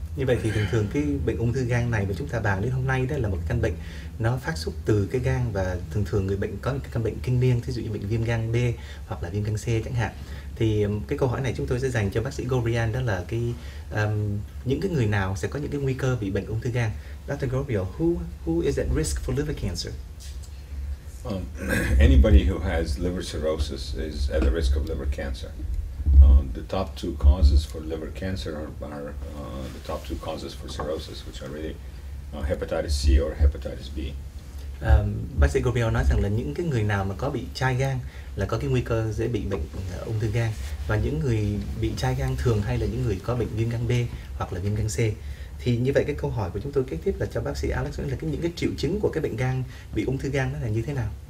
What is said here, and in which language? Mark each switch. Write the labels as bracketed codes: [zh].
[vi] Như vậy thì thường thường cái bệnh ung thư gan này mà chúng ta bàn đến hôm nay đó là một căn bệnh nó phát xuất từ cái gan, và thường thường người bệnh có cái căn bệnh kinh niên, ví dụ như bệnh viêm gan B hoặc là viêm gan C chẳng hạn. Thì cái câu hỏi này chúng tôi sẽ dành cho bác sĩ Gorian, đó là cái những cái người nào sẽ có những cái nguy cơ bị bệnh ung thư gan. [en] Dr. Gorbio, who is at risk for liver cancer? Anybody who has liver cirrhosis is at the risk of liver cancer. The top two causes for liver cancer are the top two causes for cirrhosis, which are really hepatitis C or hepatitis B. [vi] Bác sĩ Gorbio nói rằng là những cái người nào mà có bị chai gan là có cái nguy cơ dễ bị bệnh ung thư gan, và những người bị chai gan thường hay là những người có bệnh viêm gan B hoặc là viêm gan C. Thì như vậy cái câu hỏi của chúng tôi kế tiếp là cho bác sĩ Alex là những cái triệu chứng của cái bệnh gan bị ung thư gan nó là như thế nào?